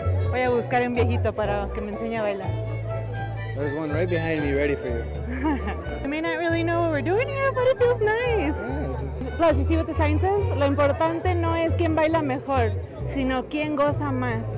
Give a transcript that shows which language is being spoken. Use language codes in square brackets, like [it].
[es] Voy a buscar un viejito para que me enseñe a bailar. [en] There's one right behind me ready for you. I may not really know what we're doing here, but it feels nice. Yeah. Plus, you see what the sign says? [es] Lo importante no es quién baila mejor, sino quién goza más.